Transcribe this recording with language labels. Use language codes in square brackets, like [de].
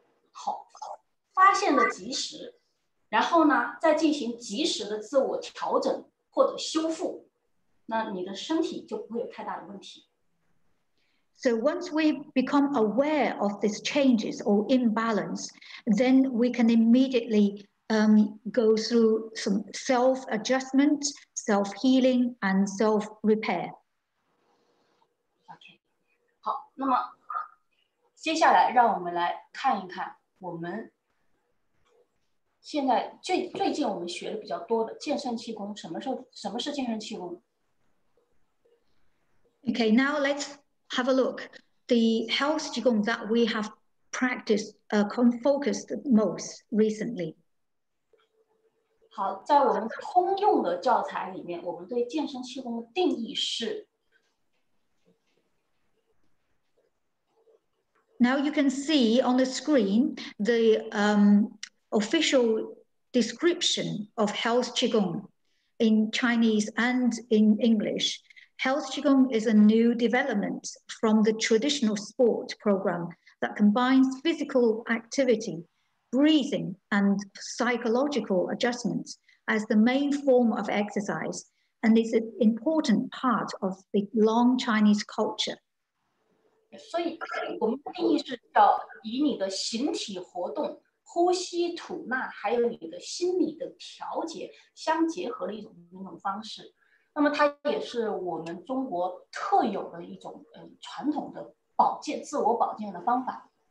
[zh] 好，发现了及时，然后呢，再进行及时的自我调整。或者修复，那你的身体就不会有太大的问题。 [en] So once we become aware of these changes or imbalance, then we can immediately go through some self-adjustment, self-healing, and self-repair. [zh] OK, 好，那么接下来让我们来看一看我们现在最近我们学的比较多的健身气功，什么是健身气功 [en] ？Okay, now let's have a look the health qigong that we have practiced focused most recently. [zh] 好，在我们通用的教材里面，我们对健身气功的定义是。 [en] Now you can see on the screen the official description of health qigong in Chinese and in English. Health qigong is a new development from the traditional sport program that combines physical activity, breathing, and psychological adjustments as the main form of exercise, and is an important part of the long Chinese culture. [zh] 所以我们定义是叫以你的形体活动呼吸吐纳还有你的心理的调节相结合的一种方式，那么它也是我们中国特有的一种传统的保健自我保健的方法。